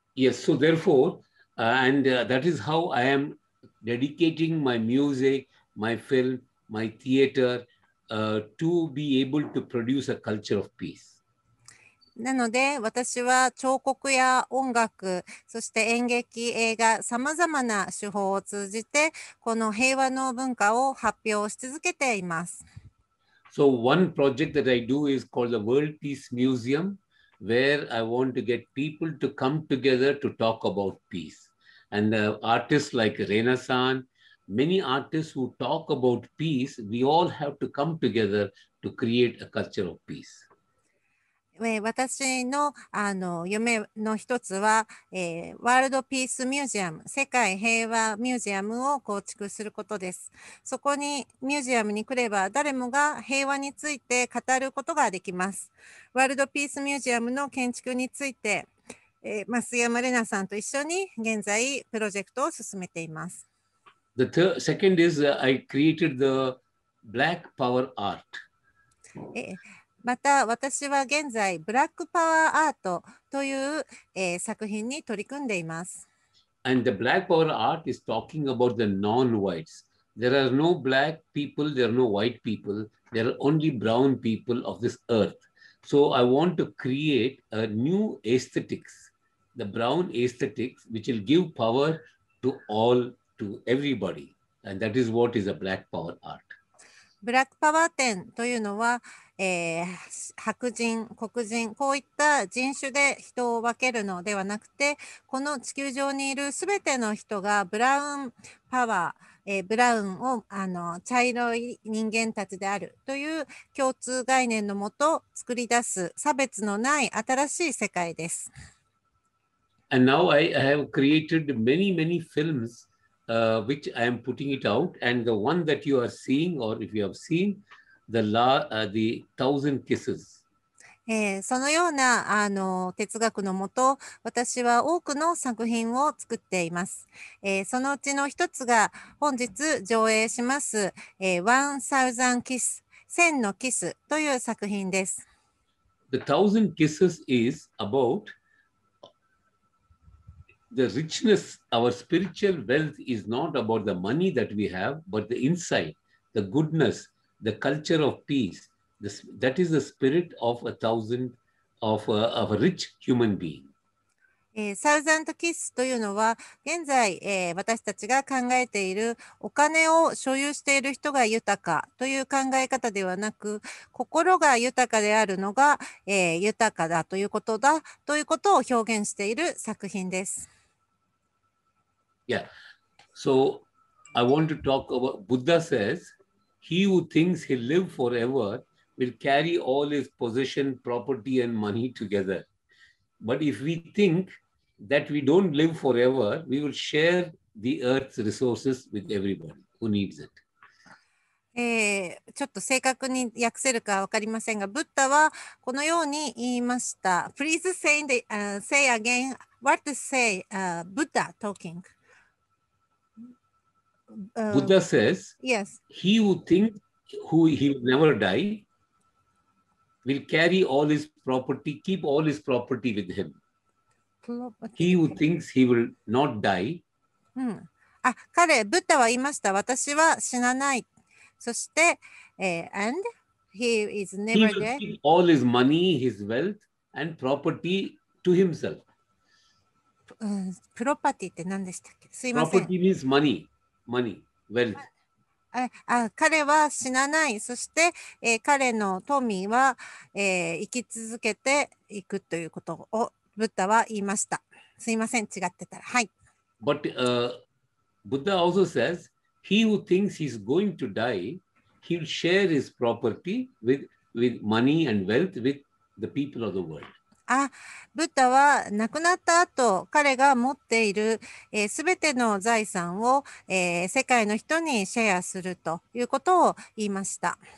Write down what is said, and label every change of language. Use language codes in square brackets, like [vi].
[en] Yes, so therefore, that is how I am dedicating my music, my film, my theater, to be able to produce a culture of peace. [ja] なので私は彫刻や音楽、そして演劇、映画、さまざまな手法を通じてこの平和の文化を発表し続けています。 [en] So one project that I do is called the World Peace Museum. Where I want to get people to come together to talk about peace. And artists like Rena-san, many artists who talk about peace, we all have to come together to create a culture of peace. [ja] 私 の, 夢の一つは、ワールドピースミュージアム、世界平和ミュージアムを構築することです。そこにミュージアムに来れば誰もが平和について語ることができます。ワールドピースミュージアムの建築について、増山玲奈さんと一緒に現在プロジェクトを進めています。 [en] The second is I created the Black Power Art. [ja] また私は現在ブラックパワーアートという、作品に取り組んでいます。 [en] And the black power art is talking about the non-whites. There are no black people, there are no white people, there are only brown people of this earth. So I want to create a new aesthetics, the brown aesthetics, which will give power to all, to everybody. And that is what is a black power art. [ja] ブラックパワー展というのは白人、黒人、こういった人種で人を分けるのではなくて、この地球上にいるすべての人がブラウンパワー、ブラウンを茶色い人間たちであるという共通概念のもと作り出す差別のない新しい世界です。 [en] And now I have created many, many films, which I am putting it out, and the one that you are seeing, or if you have seen,The thousand kisses. [ja] そのような哲学のもと、私は多くの作品を作っています。そのうちの一つが本日上映します、1000のキスという作品です。 [en] The Thousand Kisses is about the richness, our spiritual wealth is not about the money that we have, but the insight, the goodness, the culture of peace. That is the spirit of a thousand of a rich human being. [ja] Thousand kiss というのは現在、私たちが考えているお金を所有している人が豊かという考え方ではなく、心が豊かであるのが、豊かだということだということを表現している作品です。 [en] Yeah. So I want to talk about Buddha says he who thinks he live forever. Will carry all his possession, property, and money together. But if we think that we don't live forever, we will share the earth's resources with everybody who needs it. [ja] ちょっと正確に訳せるかわかりませんが、ブッダはこのように言いました。 [en] Please say the, say again what to say, Buddha talking. Buddha says, yes. He who thinks who he will never die. Will carry all his property, keep all his property with him. Property. He who thinks he will not die. [ja] あ、彼、ブッダは言いました。私は死なない。そして、 [en] and he is never dead. He will keep all his money, his wealth, and property to himself. [ja] Property って何でしたっけ？すいません。 [en] Property means money, money, wealth. [ja] 彼は死なない。そして、彼の富は、生き続けていくということをブッダは言いました。すいません、違ってたら。はい。 [en] But Buddha also says, he who thinks he's going to die, he'll share his property with money and wealth with the people of the world. [ja] ブッダは亡くなった後、彼が持っているすべての財産を、世界の人にシェアするということを言いました。